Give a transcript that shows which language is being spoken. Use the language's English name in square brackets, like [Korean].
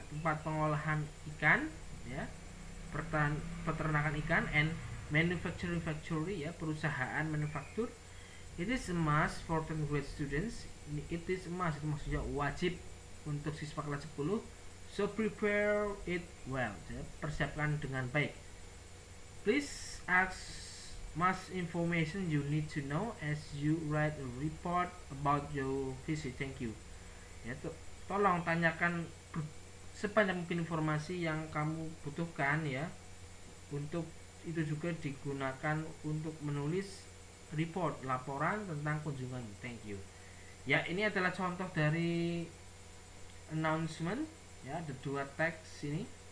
[Indonesian] tempat pengolahan ikan, ya, peternakan ikan, [English] and manufacturing factory, [Indonesian] ya, perusahaan manufaktur. [English] It is a must for 10th grade students. It is a must, [Indonesian] itu maksudnya wajib untuk siswa kelas 10. [English] So prepare it well, ya, [Indonesian] persiapkan dengan baik. [English] Please ask much information you need to know as you write a report about your visit. Thank you. [Indonesian] Ya, tolong tanyakan sebanyak mungkin informasi yang kamu butuhkan, ya. Untuk itu juga digunakan untuk menulis report, laporan tentang kunjungan. [English] Thank you. [Indonesian] Ya, ini adalah contoh dari announcement, ya, ada dua teks ini.